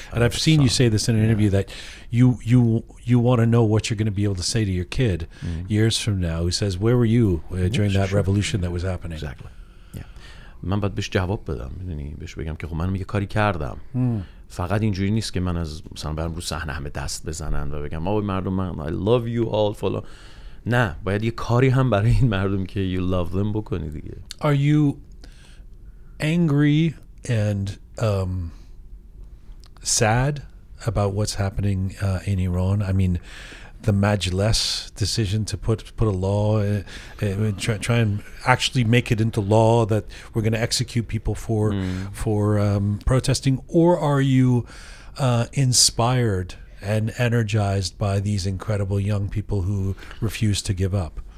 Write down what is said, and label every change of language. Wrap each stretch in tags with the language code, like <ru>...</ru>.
<en>And I've seen you say this in an interview that you want to know what you're going to be able to say to your kid years from now who says where were you during that revolution that was happening. Exactly. Yeah.</en> <fa>من باید بهش جواب بدم، یعنی بهش بگم که خب من یه کاری کردم. فقط اینجوری نیست که من از مثلا برم رو صحنه همه دست بزنن و بگم آوی مردم من</fa> <en>I love you all</en> <fa>فلان. نه، باید یه کاری هم برای این مردم که</fa> <en>you love them</en> <fa>بکنی دیگه.</fa> <en>Are you angry and sad about what's happening in Iran? I mean, the Majlis decision to put a law, try and actually make it into law that we're going to execute people for protesting, or are you inspired and energized by these incredible young people who refuse to give up?</en>